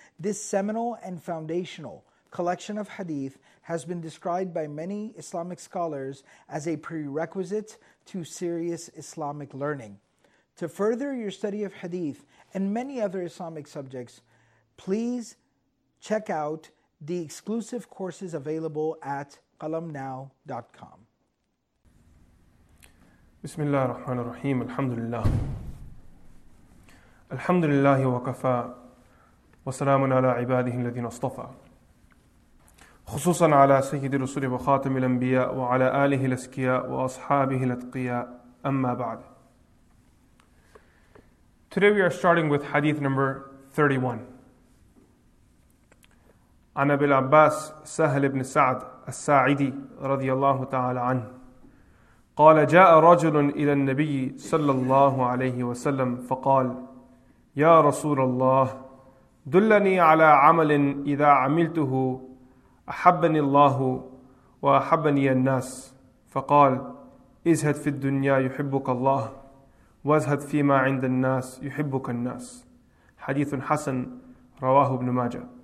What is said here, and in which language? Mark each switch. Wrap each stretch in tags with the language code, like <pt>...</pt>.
<en>This seminal and foundational collection of hadith has been described by many Islamic scholars as a prerequisite to serious Islamic learning. To further your study of hadith and many other Islamic subjects, please check out the exclusive courses available at qalamnow.com.</en> <ar>بسم الله الرحمن الرحيم الحمد لله الحمد لله وكفى وسلام على عباده الذين اصطفى خصوصا على سيد الرسل وخاتم الأنبياء وعلى آله الأسكياء وأصحابه الأتقياء أما بعد.</ar> <en>Today we are starting with hadith number 31.</en> <ar>عن أبي العباس سهل بن سعد الساعدي رضي الله تعالى عنه قال جاء رجل إلى النبي صلى الله عليه وسلم فقال يا رسول الله دلني على عمل إذا عملته أحبني الله وأحبني الناس فقال ازهد في الدنيا يحبك الله وازهد فيما عند الناس يحبك الناس حديث حسن رواه ابن ماجه.</ar>